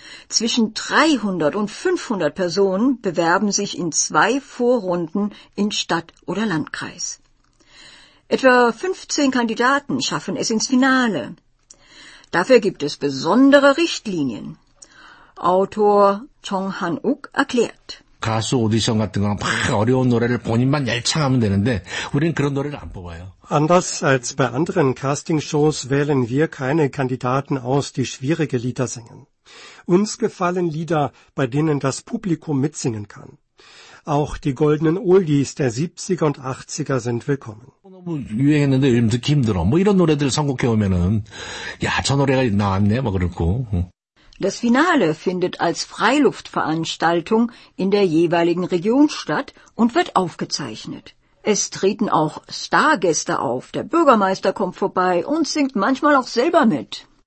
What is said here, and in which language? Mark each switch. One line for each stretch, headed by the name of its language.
German: Zwischen 300 und 500 Personen bewerben sich in zwei Vorrunden in Stadt oder Landkreis. Etwa 15 Kandidaten schaffen es ins Finale. Dafür gibt es besondere Richtlinien. Autor Chong Han-uk erklärt.
Korean: 가수 오디션 같은 건 막 어려운 노래를 본인만 열창하면 되는데 우리는 그런 노래를 안 뽑아요.
German: Anders als bei anderen Castingshows wählen wir keine Kandidaten aus, die schwierige Lieder singen. Uns gefallen Lieder, bei denen das Publikum mitsingen kann. Auch die goldenen Oldies der 70er und 80er sind willkommen.
Korean: 너무 유행했는데 요즘 듣기 힘들어. 뭐 이런 노래들 선곡해 오면은 야, 저 노래가 나왔네. 뭐 그렇고.
German: Das Finale findet als Freiluftveranstaltung in der jeweiligen Region statt und wird aufgezeichnet. Es treten auch Stargäste auf. Der Bürgermeister kommt vorbei und singt manchmal auch selber mit.